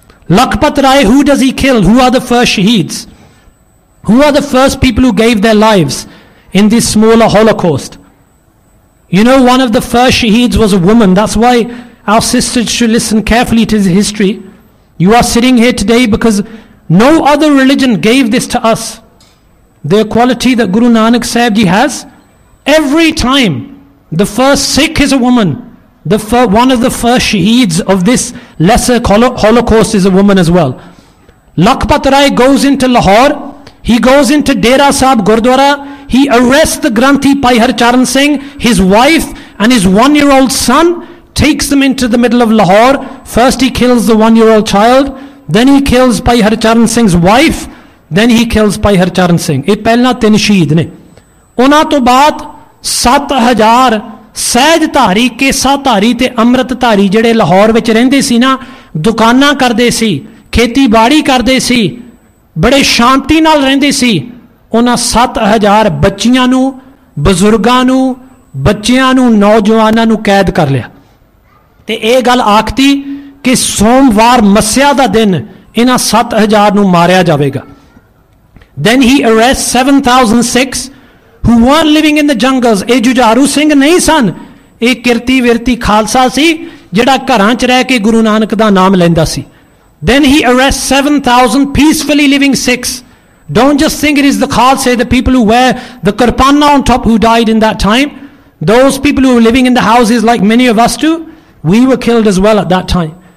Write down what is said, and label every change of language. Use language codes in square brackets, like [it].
[en] Lakhpat Rai, who does he kill, who are the first ਸ਼ਹੀਦਸ, who are the first people who gave their lives in this small holocaust. You know, one of the first ਸ਼ਹੀਦਸ was a woman, that's why our sister should listen carefully to his history. You are sitting here today because no other religion gave this to us, the quality that Guru Nanak Sahib ji has. Every time the first Sikh is a woman, the one of the first shaheeds of this lesser holocaust is a woman as well. Lakhpat Rai goes into Lahore, he goes into Dera Sahib Gurdwara, he arrests the Granthi Bhai Harcharan Singh, his wife and his one-year-old son, takes them into the middle of Lahore. First he kills the one-year-old child, then he kills Bhai Harcharan Singh's wife, then he kills Bhai Harcharan Singh. [pa] Eh pehla tin shaheed ne. ਉਹਨਾਂ ਤੋਂ ਬਾਅਦ 7000 ਸਹਿਜਧਾਰੀ, ਕੇਸਾਧਾਰੀ ਅਤੇ ਅੰਮ੍ਰਿਤਧਾਰੀ ਜਿਹੜੇ ਲਾਹੌਰ ਵਿੱਚ ਰਹਿੰਦੇ ਸੀ ਨਾ, ਦੁਕਾਨਾਂ ਕਰਦੇ ਸੀ, ਖੇਤੀਬਾੜੀ ਕਰਦੇ ਸੀ, ਬੜੇ ਸ਼ਾਂਤੀ ਨਾਲ ਰਹਿੰਦੇ ਸੀ, ਉਹਨਾਂ 7000 ਬੱਚੀਆਂ ਨੂੰ, ਬਜ਼ੁਰਗਾਂ ਨੂੰ, ਬੱਚਿਆਂ ਨੂੰ, ਨੌਜਵਾਨਾਂ ਨੂੰ ਕੈਦ ਕਰ ਲਿਆ। ਅਤੇ ਇਹ ਗੱਲ ਆਖਤੀ ਕਿ ਸੋਮਵਾਰ ਮੱਸਿਆ ਦਾ ਦਿਨ ਇਹਨਾਂ 7000 ਨੂੰ ਮਾਰਿਆ ਜਾਵੇਗਾ। [en] Then he arrest 7000 Sikhs who were living in the jungles. [pa] ਇਹ ਜੁਝਾਰੂ ਸਿੰਘ ਨਹੀਂ ਸਨ, ਇਹ ਕਿਰਤੀ ਵਿਰਤੀ ਖਾਲਸਾ ਸੀ ਜਿਹੜਾ ਘਰਾਂ 'ਚ ਰਹਿ ਕੇ ਗੁਰੂ ਨਾਨਕ ਦਾ ਨਾਮ ਲੈਂਦਾ ਸੀ। [en] Then he arrest 7000 peacefully living Sikhs, don't just think it is the ਖਾਲਸੇ, the people who wear the ਕਿਰਪਾਨਾ on top who died in that time, those people who living in the house is like many of us too, we were killed as well at that time.